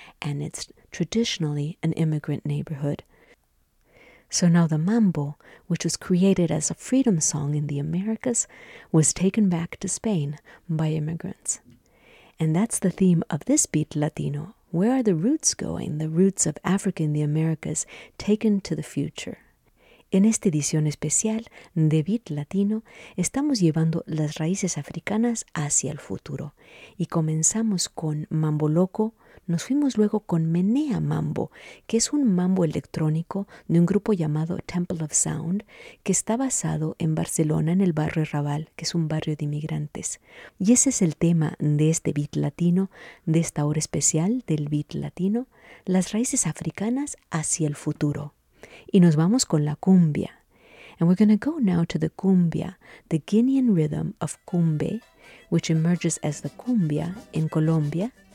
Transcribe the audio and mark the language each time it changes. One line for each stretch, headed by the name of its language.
English: And it's traditionally an immigrant neighborhood. So now the mambo, which was created as a freedom song in the Americas, was taken back to Spain by immigrants. And that's the theme of this Beat Latino. Where are the roots going, the roots of Africa in the Americas, taken to the future?
Spanish: En esta edición especial de Beat Latino, estamos llevando las raíces africanas hacia el futuro. Y comenzamos con Mambo Loco. Nos fuimos luego con Menea Mambo, que es un mambo electrónico de un grupo llamado Temple of Sound, que está basado en Barcelona, en el barrio Raval, que es un barrio de inmigrantes. Y ese es el tema de este Beat Latino, de esta hora especial del Beat Latino, las raíces africanas hacia el futuro. Y nos vamos con la cumbia.
English: And we're going to go now to the cumbia, the Guinean rhythm of cumbe, which emerges as the cumbia in Colombia.